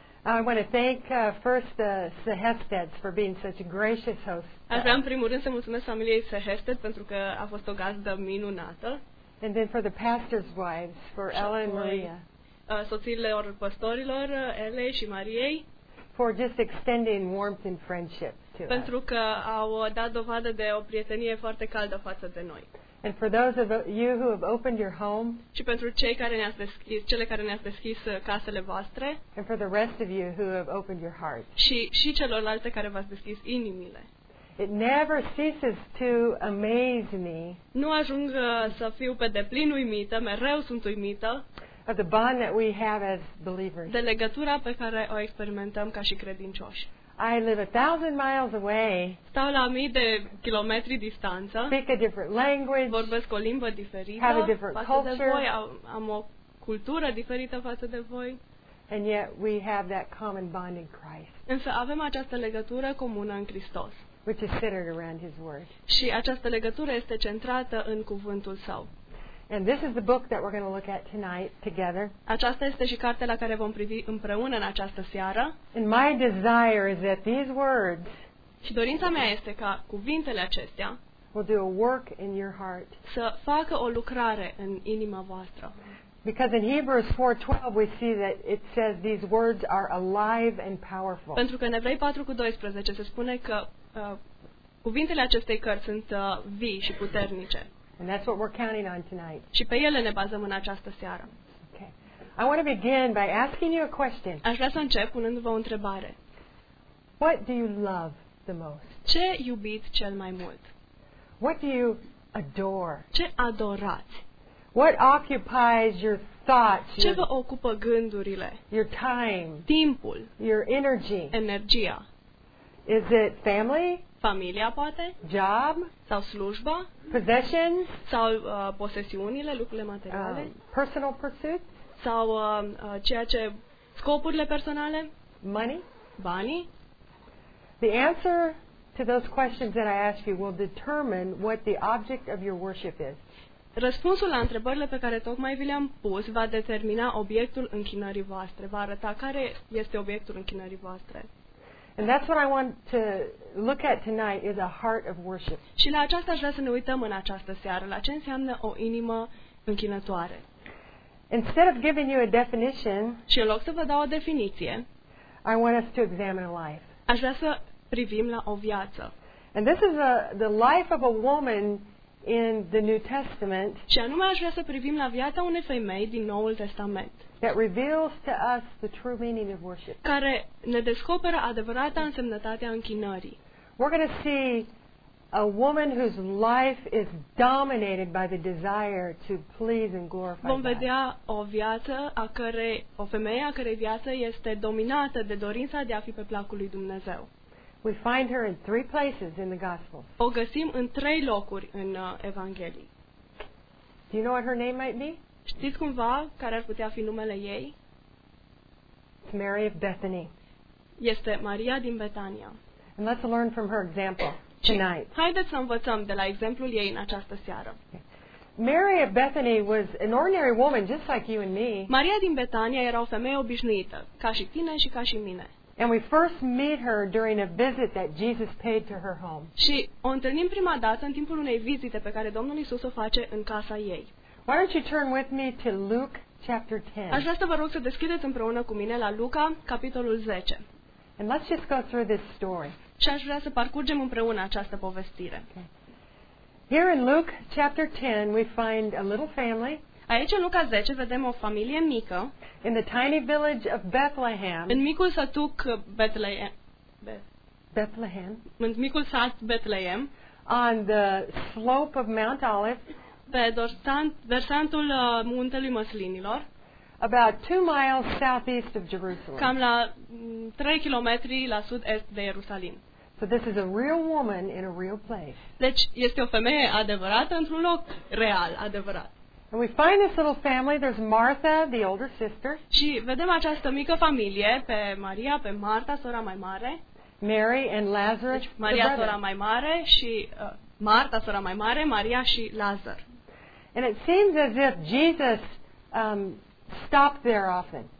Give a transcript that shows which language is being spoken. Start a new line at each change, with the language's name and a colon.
English: I want to thank first the Sehesteds for being such a gracious host.
Romanian: Vreau în primul rând să mulțumesc familiei Sehested pentru că a fost o gazdă minunată.
English: And then for the pastors' wives, for Ella and Maria.
Romanian: Soțiile pastorilor, Ella și Mariei.
English: For just extending warmth and friendship to us.
Romanian: Pentru că au dat dovadă de o prietenie foarte caldă față de noi.
English: And for those of you who have opened your home,
Romanian: și pentru cei care ne-ați deschis, cele care ne-ați deschis casele voastre,
English: and for the rest of you who have opened your heart,
Romanian: și celorlalte care v-ați deschis inimile,
English: it never ceases to amaze me.
Romanian: Nu ajung să fiu pe deplin uimită, mereu sunt uimită,
English: of the bond that we have as believers.
Romanian: De legătura pe care o experimentăm ca și credincioși.
English: I live 1,000 miles away.
Romanian: Stau la mii de kilometri distanță.
English: Speak a different language.
Romanian: Vorbesc o limbă diferită.
English: Have a different culture.
Romanian: Voi, am o cultură diferită față de voi.
English: And yet we have that common bond in Christ.
Romanian: Însă avem această legătură comună în Hristos.
English: Which is centered around His word.
Romanian: Și această legătură este centrată în cuvântul Său.
English: And this is the book that we're going to look at tonight together.
Romanian: Aceasta este și cartea la care vom privi împreună în această seară.
English: And my desire is that these words.
Romanian: Și dorința mea este ca cuvintele acestea.
English: Will do a work in your heart.
Romanian: Să facă o lucrare în inima voastră.
English: Because in Hebrews 4:12 we see that it says these words are alive and powerful.
Romanian: Pentru că în Evrei 4:12 se spune că cuvintele acestei cărți sunt vii și puternice.
English: And that's what we're counting on tonight.
Romanian: Și pe ele ne bazăm în această seară.
English: Okay. I want to begin by asking you a question.
Romanian: Aș vrea să încep punându-vă o întrebare.
English: What do you love the most?
Romanian: Ce iubiți cel mai mult?
English: What do you adore?
Romanian: Ce adorați?
English: What occupies your thoughts?
Romanian: Ce vă ocupă gândurile?
English: Your time.
Romanian: Timpul.
English: Your energy.
Romanian: Energia.
English: Is it family?
Romanian: Familia, poate?
English: Job?
Romanian: Sau slujba?
English: Possessions?
Romanian: Sau posesiunile, lucrurile materiale?
English: Personal pursuits?
Romanian: Sau ceea ce, scopurile personale?
English: Money?
Romanian: Banii?
English: The answer to those questions that I ask you will determine what the object of your worship is.
Romanian: Răspunsul la întrebările pe care tocmai vi le-am pus va determina obiectul închinării voastre, va arăta care este obiectul închinării voastre.
English: And that's what I want to look at tonight is a heart of worship.
Romanian: Și la aceasta aș vrea să ne uităm în această seară, la ce înseamnă o inimă închinătoare.
English: Instead of giving you a definition,
Romanian: și în loc să vă dau o definiție,
English: I want us to examine a life.
Romanian: Aș vrea să privim la o viață.
English: And this is the life of a woman in the New Testament.
Romanian: Și anume aș vrea să privim la viața unei femei din Noul Testament.
English: That reveals to us the true meaning of worship.
Romanian: Care ne descoperă adevărata însemnătatea închinării.
English: We're going to see a woman whose life is dominated by the desire to please and glorify God.
Romanian: Vom vedea o viață a cărei, o femeie a cărei viață este dominată de dorința de a fi pe placul lui Dumnezeu.
English: We find her in three places in the Gospel.
Romanian: O găsim în trei locuri în Evanghelii.
English: Do you know what her name might be?
Romanian: Știți cumva care ar putea fi numele ei?
English: Mary of Bethany.
Romanian: Este Maria din Betania.
English: And let's learn from her example tonight.
Romanian: Haideți să învățăm de la exemplul ei în această seară.
English: Mary of Bethany was an ordinary woman just like you and me.
Romanian: Maria din Betania era o femeie obișnuită, ca și tine și ca și mine.
English: And we first meet her during a visit that Jesus paid to her home.
Romanian: Și o întâlnim prima dată în timpul unei vizite pe care Domnul Iisus o face în casa ei.
English: Why don't you turn with me to Luke chapter 10?
Romanian: Aș vrea să vă rog să deschideți împreună cu mine la Luca, capitolul 10.
English: And let's just go through this story.
Romanian: Și aș vrea să parcurgem împreună această povestire.
English: Okay. Here in Luke chapter 10 we find a little family.
Romanian: Aici în Luca 10 vedem o familie mică.
English: In the tiny village of Bethlehem.
Romanian: În micul satuc Bethlehem. Bethlehem. În micul sat Bethlehem.
English: On the slope of Mount Olive.
Romanian: Pe versantul muntelui măslinilor.
English: About 2 miles southeast of Jerusalem.
Romanian: Cam la 3 kilometri la sud-est de Ierusalim.
English: So this is a real woman in a real place.
Romanian: Deci este o femeie adevărată într-un loc real, adevărat.
English: And we find this little family. There's Martha, the older sister.
Romanian: Și vedem această mică familie, pe Maria, pe Marta, sora mai mare.
English: Mary and Lazarus.
Romanian: Deci Maria, sora mai mare, și Marta, sora mai mare, Maria și Lazar.
English: And it seems as if Jesus stopped there often.